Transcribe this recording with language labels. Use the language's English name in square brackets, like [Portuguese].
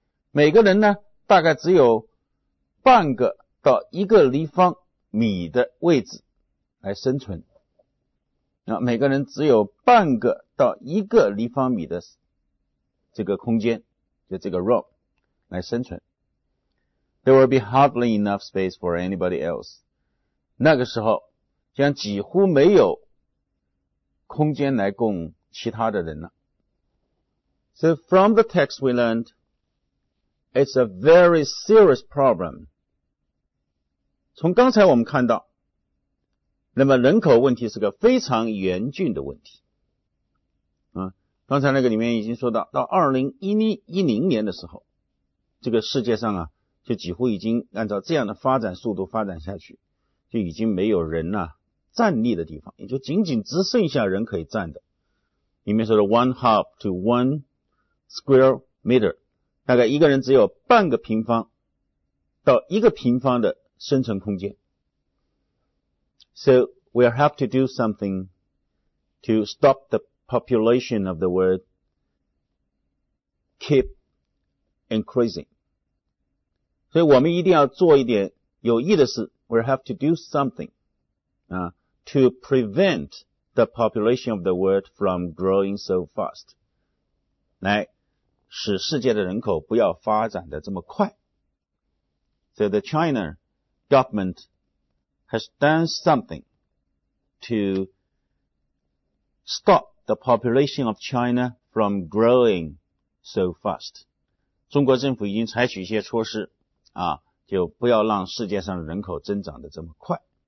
[Chinese] 每个人呢，大概只有半个到一个立方米的位置来生存。那每个人只有半个到一个立方米的这个空间，就这个 room 来生存。 [English] There will be hardly enough space for anybody else. [Chinese] 那个时候将几乎没有空间来供其他的人了。 [English] So from the text we learned, It's a very serious problem. [Chinese] 从刚才我们看到，那么人口问题是个非常严峻的问题。刚才那个里面已经说到，到2010年的时候，这个世界上啊，就几乎已经按照这样的发展速度发展下去，就已经没有人啊站立的地方，也就仅仅只剩下人可以站的。里面说的 [English] one hop to one square meter， [Chinese] 大概一个人只有半个平方到一个平方的生存空间。 [English] So we have to do something to stop the population of the world keep increasing. [Chinese] 所以我们一定要做一点有益的事。 [English] We have to do something, to prevent the population of the world from growing so fast. [Chinese] 来使世界的人口不要发展的这么快。 [English] So the China government has done something to stop the population of China from growing so fast. [Chinese] 中国政府已经采取一些措施，就不要让世界上人口增长的这么快。